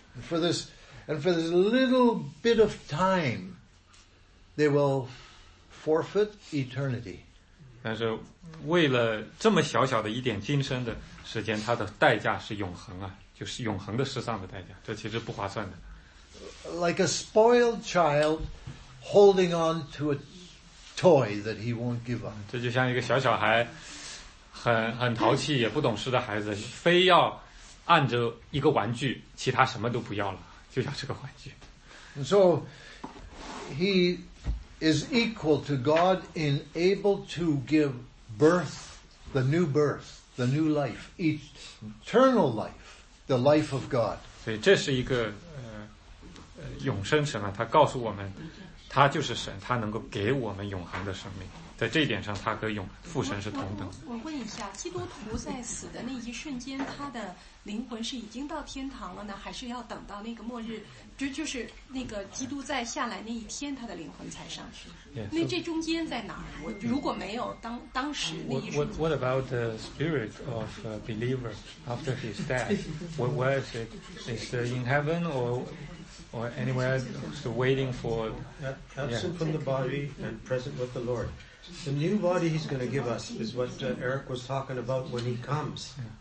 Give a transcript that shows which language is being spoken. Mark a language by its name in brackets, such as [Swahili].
[English] For this little bit of time, they will forfeit eternity. [Chinese] 但是为了这么小小的一点今生的时间，它的代价是永恒啊，就是永恒的失丧的代价，这其实不划算的。 [English] Like a spoiled child holding on to a toy that he won't give up. [Chinese] 这就像一个小小孩很淘气也不懂事的孩子，非要按着一个玩具，其他什么都不要了。就像这个环境。 [English] And so, he is equal to God in able to give birth, the new life, eternal life, the life of God. [Chinese] 所以这是一个永生神啊，他告诉我们，他就是神，他能够给我们永恒的生命。在这一点上，他跟父神是同等。我问一下，基督徒在死的那一瞬间，他的灵魂是已经到天堂了呢，还是要等到那个末日，就是那个基督再下来那一天，他的灵魂才上去？ [English] Yeah, so, [Chinese] 那这中间在哪儿？我如果没有当时那一瞬间。 [English] What about the spirit of a believer after his death? Where is it? Is it in heaven or anywhere? So waiting for absent from the body and present with the Lord. The new body he's going to give us is what Eric was talking about when he comes.